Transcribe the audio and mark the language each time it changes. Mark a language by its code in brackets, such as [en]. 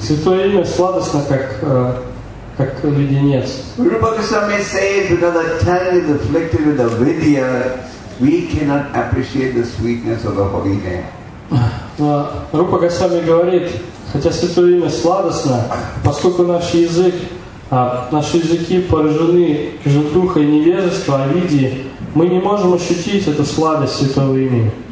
[ru] Святое имя сладостно, как леденец. [en] Rupa Goswami says, because our tongue is afflicted with avidya, we cannot appreciate the sweetness of the holy name. [ru] Рупа Госвами говорит, хотя святое имя сладостно, поскольку наши языки поражены духа и невежества, авидии, мы не можем ощутить эту сладость святого имени.